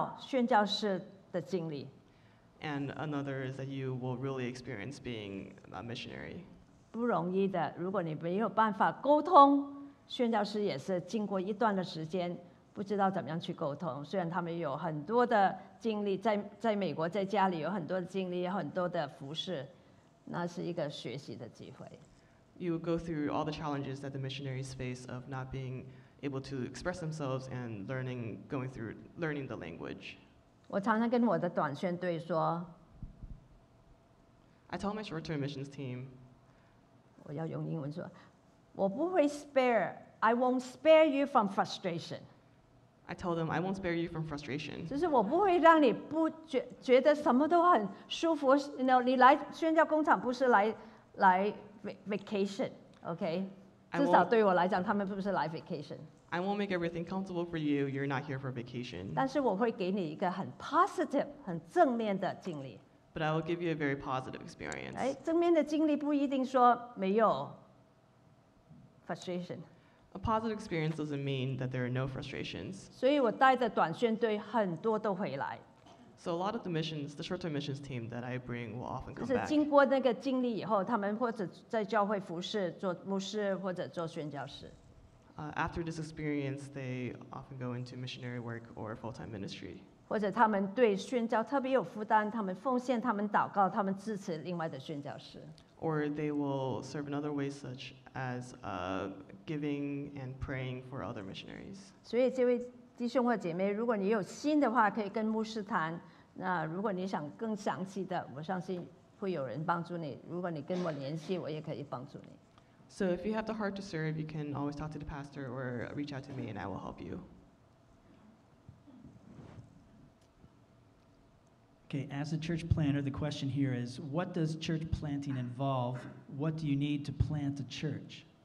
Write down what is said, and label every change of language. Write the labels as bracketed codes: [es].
[zh] 另外一方面，你自己经历到宣教士的经历。 [en] And another is that you will really experience being a missionary. [zh] 不容易的，如果你没有办法沟通。宣教士也是经过一段的时间，不知道怎么样去沟通。虽然他们有很多的经历，在美国、在家里有很多的经历、很多的服事，那是一个学习的机会。 [en] You go through all the challenges that the missionaries face of not being able to express themselves and learning the language. [zh] 我常常跟我的短宣队说。 [en] I tell my short-term missions team. [zh] 我要用英文说，我不会 spare. [en] I won't spare you from frustration. I told them I won't spare you from frustration. [zh] 就是我不会让你不觉得什么都很舒服。 [en] You know, [zh] 你来宣教工厂不是来 vacation, okay? 至少对我来讲，他们不是来 vacation. [en] I won't make everything comfortable for you. You're not here for vacation. [zh] 但是我会给你一个很 positive, 很正面的经历。 [en] But I will give you a very positive experience. [zh] 哎，正面的经历不一定说没有 frustration. [en] A positive experience doesn't mean that there are no frustrations. [zh] 所以我带着短宣队很多都回来。 [en] So a lot of the missions, the short-term missions team that I bring will often come back. [zh] 就是经过那个经历以后，他们或者在教会服侍，做牧师或者做宣教士。 [en] After this experience, they often go into missionary work or full-time ministry. [zh] 或者他们对宣教特别有负担，他们奉献，他们祷告，他们支持另外的宣教士。 [en] Or they will serve in other ways, such as giving and praying for other missionaries. [zh] 所以这位弟兄或姐妹，如果你有心的话，可以跟牧师谈。那如果你想更详细的，我相信会有人帮助你。如果你跟我联系，我也可以帮助你。 [en] So if you have the heart to serve, you can always talk to the pastor or reach out to me, and I will help you. Okay, as a church planter, the question here is, what does church planting involve? What do you need to plant a church?